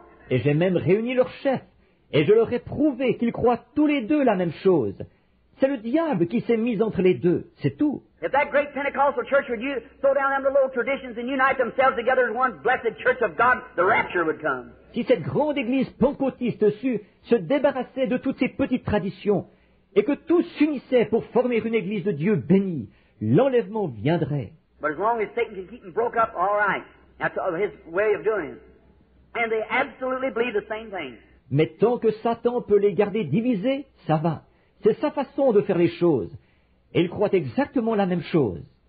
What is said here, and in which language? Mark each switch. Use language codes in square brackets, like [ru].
[fr] Et j'ai même réuni leurs chefs, et je leur ai prouvé qu'ils croient tous les deux la même chose. C'est le diable qui s'est mis entre les deux, c'est tout. [en] If that great Pentecostal church would you throw down them little traditions and unite themselves together as one blessed church of God, the rapture would come. [fr] Si cette grande église pentecôtiste sut se débarrasser de toutes ces petites traditions et que tous s'unissaient pour former une église de Dieu béni, l'enlèvement viendrait. [en] But as long as Satan can keep them broke up, all right. That's his way of doing it. And they absolutely believe the same thing. [fr] Mais tant que Satan peut les garder divisés, ça va. C'est sa façon de faire les choses. Et ils croient exactement la même chose.